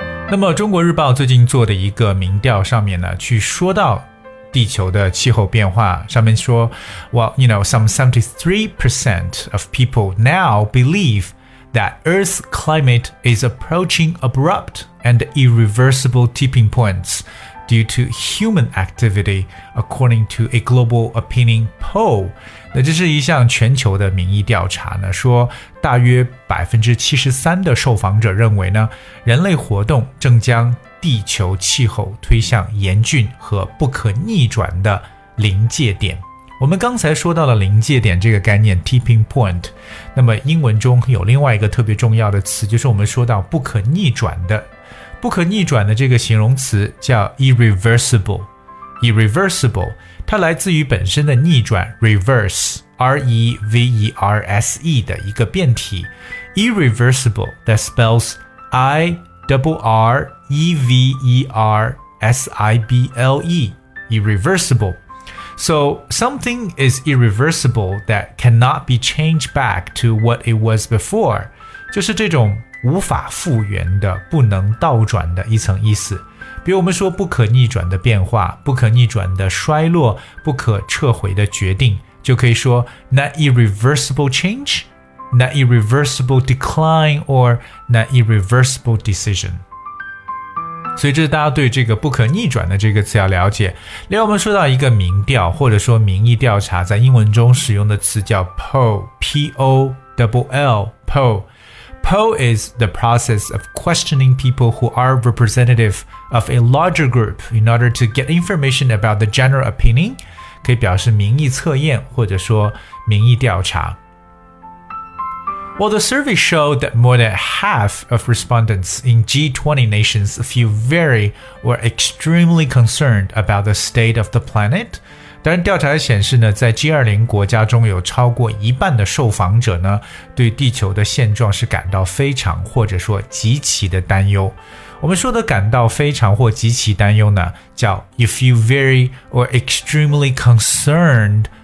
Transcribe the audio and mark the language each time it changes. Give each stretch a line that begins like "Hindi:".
Chinese: 那么中国日报最近做的一个民调上面呢，去说到地球的气候变化，上面说
English: Well, you know, some 73% of people now believe that Earth's climate is approaching abrupt and irreversible tipping points due to human activity, according to a global opinion poll.
Chinese: 那这是一项全球的民意调查呢，说大约 73% 的受访者认为呢，人类活动正将地球气候推向严峻和不可逆转的临界点。我们刚才说到了临界点这个概念 tipping point, 那么英文中有另外一个特别重要的词，就是我们说到不可逆转的。不可逆转的这个形容词叫 irreversible, irreversible, 它来自于本身的逆转 reverse, R-E-V-E-R-S-E 的一个变体 irreversible,
English: that spells I-irreversible, irreversible. So something is irreversible that cannot be changed back to what it was before.
Chinese: 就是这种无法复原的、不能倒转的一层意思。比如我们说不可逆转的变化、不可逆转的衰落、不可撤回的决定，就可以说
English: not irreversible change, not irreversible decline, or not irreversible decision.
Chinese: 所以这是大家对这个不可逆转的这个词要了解。另外我们说到一个民调或者说民意调查，在英文中使用的词叫 poll, P-O-L-L, poll.
English: Poll is the process of questioning people who are representative of a larger group in order to get information about the general opinion,
Chinese: 可以表示民意测验或者说民意调查。
English: Well, the survey showed that more than half of respondents in G20 nations feel very or extremely concerned about the state of the planet.
Chinese: 当然调查显示呢，在 G20 国家中有超过一半的受访者呢，对地球的现状是感到非常或者说极其的担忧。我们说的感到非常或极其担忧呢，叫
English: you feel very or extremely concerned.